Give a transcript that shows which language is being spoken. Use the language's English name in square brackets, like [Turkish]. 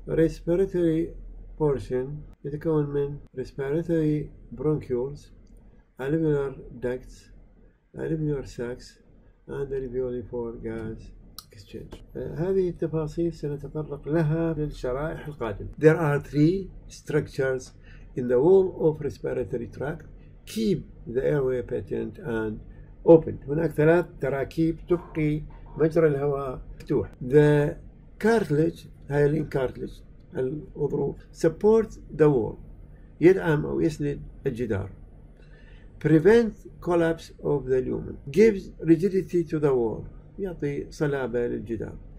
[English] Respiratory portion [Arabic] يتكون من [English] respiratory bronchioles, alveolar ducts, alveolar sacs, and alveoli for gas exchange. [Arabic] هذه التفاصيل سنتطرق لها في الشرائح القادمة. [English] There are three structures in the wall of respiratory tract keep the airway patent and open. [Arabic] هناك ثلاث تراكيب تبقي مجرى الهواء مفتوح. [English] The cartilage, hyaline cartilage, العضو, supports the wall, [Arabic] يدعم أو يسند الجدار. [English] Prevents collapse of the lumen, gives rigidity to the wall, [Arabic] يعطي صلابة للجدار.